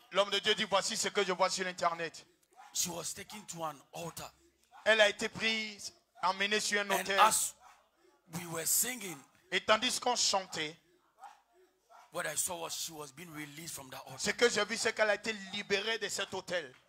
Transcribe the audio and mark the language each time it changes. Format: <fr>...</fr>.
<fr>l'homme de Dieu dit, voici ce que je vois sur internet.</fr> <en>She was taken to an altar.</en> <fr>Elle a été prise, emmenée sur un autel.</fr> <en>And as we were singing,</en> <fr>et tandis qu'on chantait,</fr> <en>what I saw was she was being released from that altar.</en> <fr>Ce que j'ai vu, c'est qu'elle a été libérée de cet hôtel.</fr>